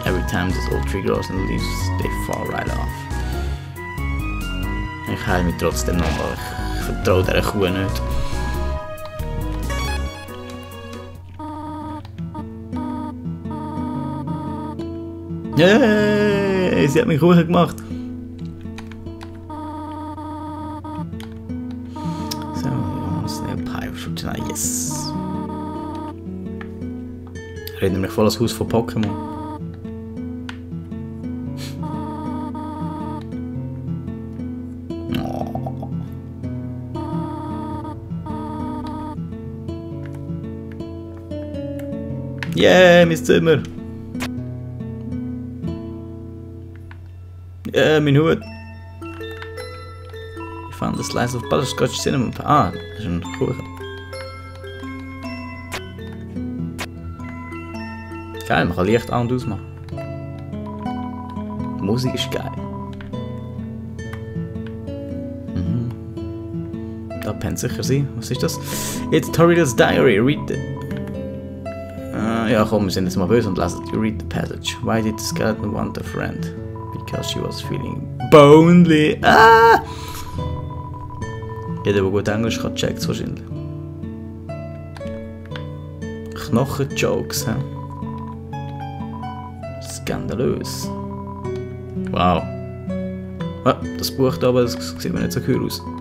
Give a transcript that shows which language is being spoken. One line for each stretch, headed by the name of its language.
English: Time this old tree grows and leaves, they fall right off.
German: Ich heile mich trotzdem noch, weil ich vertraue dieser Kuh nicht. Hey, sie hat mich Kuchen gemacht.
English: So, Snail Pipe for tonight, yes.
German: Erinnert mich voll an das Haus von Pokémon. Yeah, mein Zimmer! Yeah, mein Hut! Ich fand das Slice of Butterscotch Cinnamon. Ah, das ist ein Kuchen. Geil, man kann Licht an- und ausmachen. Die Musik ist geil. Mhm. Da pennt sicher sie. Was ist das?
English: It's Toriel's Diary. Read it.
German: Ja komm, wir sind jetzt mal böse und lassen
English: you read the passage. Why did the skeleton want a friend? Because she was feeling bonely. Ah!
German: Jeder, der gut Englisch kann, checkt es wahrscheinlich. Knochenjokes, hä? Skandalös. Wow. Ah, das Buch da aber, das sieht mir nicht so cool aus.